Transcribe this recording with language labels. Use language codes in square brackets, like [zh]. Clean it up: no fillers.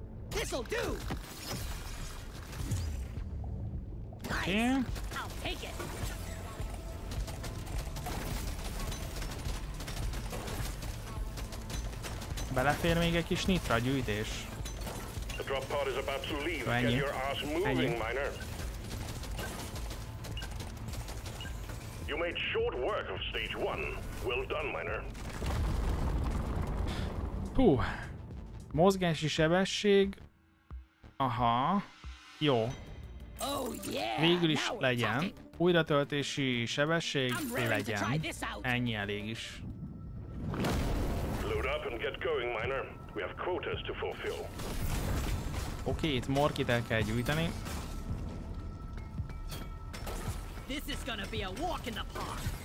[en] This'll do. Okay. Nice. I'll take it. [hu] Belefér még egy kis nitra gyűjtés. [en] A drop pod is about to leave. [hu] Ennyi. [en] Get your ass moving, miner. You made short work of stage one. Well done, miner. [hu] Hú. Mozgási sebesség. Aha. Jó. [en] Oh, yeah. [hu] Végül is legyen. Újratöltési sebesség legyen. Ennyi elég is. [en] Load up and get going, miner. We have quotas to fulfill. [hu] Oké, itt morkit el kell gyűjteni. [en] This is gonna be a walk in the park.